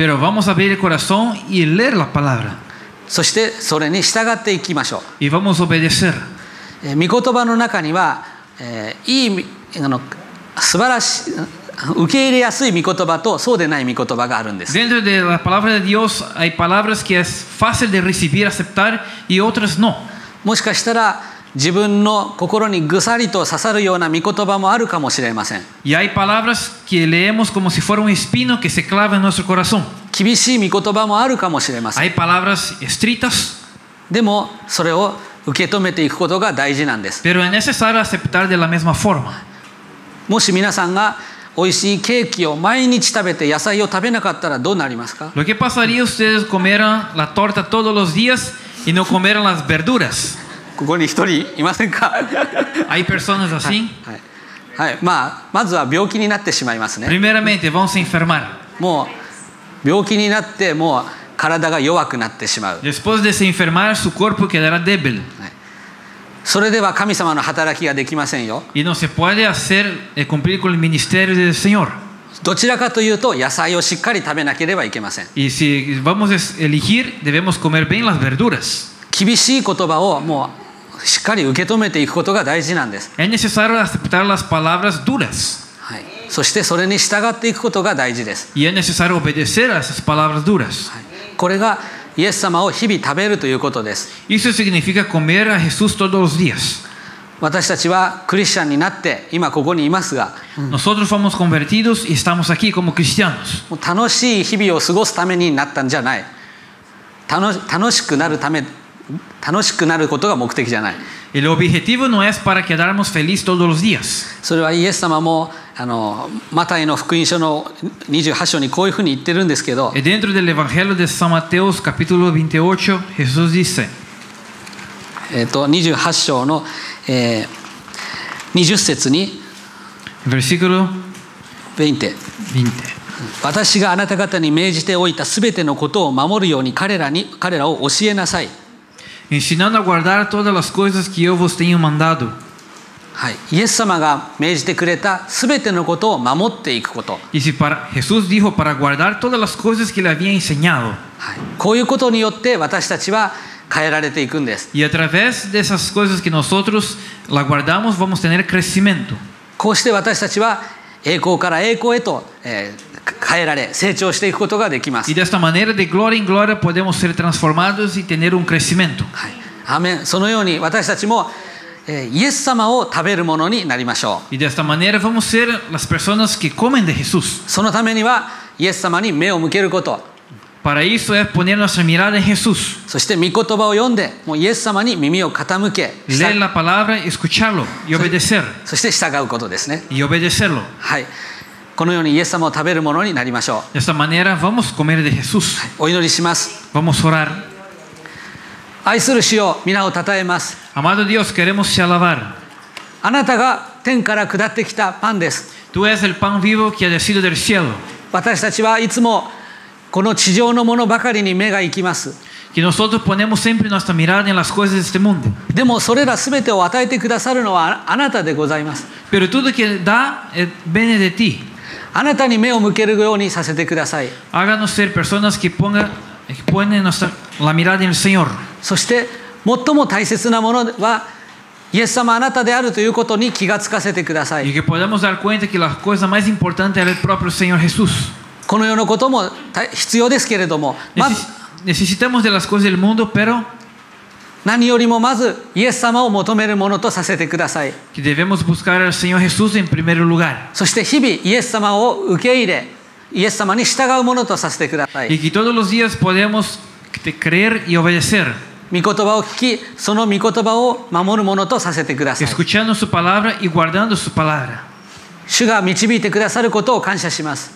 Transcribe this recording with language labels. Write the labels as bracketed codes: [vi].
[es] Pero vamos a abrir el corazón y leer la palabra. [ja] そしてそれに従っていきましょう。 [es] Y vamos a obedecer. [ja] 御言葉の中には、いい素晴らしい受け入れやすい御言葉とそうでない御言葉があるんです。 [es] Dentro de la palabra de Dios hay palabras que es fácil de recibir, aceptar y otras no. [ja] もしかしたら自分の心にぐさりと刺さるような御言葉もあるかもしれません。 [es] Y hay palabras que leemos como si fuera un espino que se clava en nuestro corazón. [ja] 厳しい御言葉もあるかもしれません。 [es] Hay palabras estrictas. [ja] でもそれを受け止めていくことが大事なんです。 [es] Pero es necesario aceptar de la misma forma. [ja] もし皆さんが美味しいケーキを毎日食べて野菜を食べなかったらどうなりますか？ [es] Lo que pasaría si ustedes comieran la torta todos los días y no comieran las verduras. [ja] ここに一人いませんか？ [es] Hay personas así. [ja] はい、はい、まあまずは病気になってしまいますね。 [es] Primeramente vamos a enfermar. [ja] もう病気になってもう体が弱くなってしまう。 [es] Después de se enfermar su cuerpo quedará débil. [ja] それでは神様の働きができませんよ。 [es] Y no se puede hacer cumplir con el ministerio del Señor. [ja] どちらかというと野菜をしっかり食べなければいけません。 [es] Y si vamos a elegir, debemos comer bien las verduras. [ja] 厳しい言葉をもうしっかり受け止めていくことが大事なんです。 [es] Es necesario aceptar las palabras duras. [ja] そしてそれに従っていくことが大事です。 [es] Y es necesario obedecer a esas palabras duras.、は [ja] い、これがイエス様を日々食べるということです。 [es] Eso significa comer a Jesús todos los días. [ja] 私たちはクリスチャンになって今ここにいますが、 [es] うん、Nosotros somos convertidos y estamos aquí como cristianos. [ja] 楽しい日々を過ごすためになったんじゃない。楽しくなることが目的じゃない。 [es] El objetivo no es para quedarnos feliz todos los días. [ja] それはイエス様もマタイの福音書の28章にこういうふうに言ってるんですけど、 [es] dentro del Evangelio de San Mateo, capítulo 28, Jesús dice: [ja] 28章の、20節に、 [es] versículo [ja] 20、私があなた方に命じておいたすべてのことを守るように彼らを教えなさい。 [es] ensinando a guardar todas las cosas que yo vos tenho mandado. [ja] はい、イエス様が命じてくれた全てのことを守っていくこと。 [es] Jesús dijo para guardar todas las cosas que le había enseñado。 [ja] こういうことによって私たちは変えられていくんです。 [es] Y a través de esas cosas que nosotros la guardamos vamos tener crecimiento。 [ja] こうして私たちは栄光から栄光へと、変えられ成長していくことができます。 [es] Y de esta manera de gloria en gloria podemos ser transformados y tener un crecimiento。 [ja] はい、アーメン。そのように私たちもイエス様を食べるものになりましょう。 [es] Y de esta manera vamos a ser las personas que comen de Jesús. [ja] そのためにはイエス様に目を向けること。 [es] Para eso es poner nuestra mirada en Jesús. [ja] そして御言葉を読んでもうイエス様に耳を傾け。 [es] Leer la palabra, escucharlo y obedecer. [ja] そして従うことですね。 [es] Y obedecerlo. [ja] はい。このようにイエス様を食べるものになりましょう。 [es] De esta manera vamos a comer de Jesús. [ja] お祈りします。 [es] Vamos a orar. [ja] 愛する主よ、皆をたたえます。 [es] Amado Dios, queremos te alabar. [ja] あなたが天から下ってきたパンです。 [es] Tú eres el pan vivo que ha descendido del cielo. [ja] 私たちはいつもこの地上のものばかりに目が行きます。 [es] Que nosotros ponemos siempre nuestra mirada en las cosas de este mundo. [ja] でもそれらすべてを与えてくださるのはあなたでございます。 [es] Pero todo que da viene de ti. [ja] あなたに目を向けるようにさせてください。 [es] Háganos ser personas que ponen nuestra la mirada en el Señor. [ja] そして最も大切なものはイエス様あなたであるということに気がつかせてください。この世のことも必要ですけれども、 [es] necesitamos de las cosas del mundo, pero [ja] 何よりもまずイエス様を求めるものとさせてください。 [es] debemos buscar al Señor Jesús en primer lugar. [ja] そして日々イエス様を受け入れイエス様に従うものとさせてください。 [es] y que todos los días podemos creer y obedecer. [ja] 御言葉を聞きその御言葉を守るものとさせてください。 [es] Escuchando su palabra y guardando su palabra. [ja] 主が導いてくださることを感謝します。